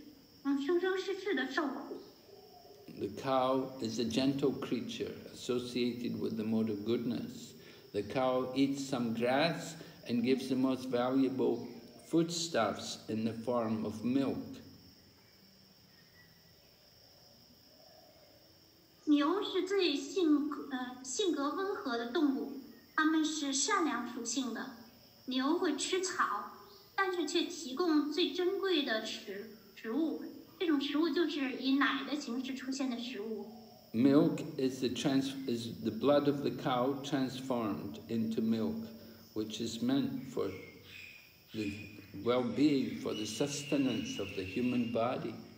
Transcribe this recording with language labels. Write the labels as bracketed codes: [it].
[zh] 杀牛是非常罪恶深重的，因为这种罪恶要去地狱，生生世世的受苦。 [en] The cow is a gentle creature associated with the mode of goodness. The cow eats some grass and gives the most valuable foodstuffs in the form of milk. [zh] 牛是最性格温和的动物，它们是善良属性的。牛会吃草，但是却提供最珍贵的食物。这种食物就是以奶的形式出现的食物。 [en] Milk is the the blood of the cow transformed into milk, which is meant for the well-being, for the sustenance of the human body.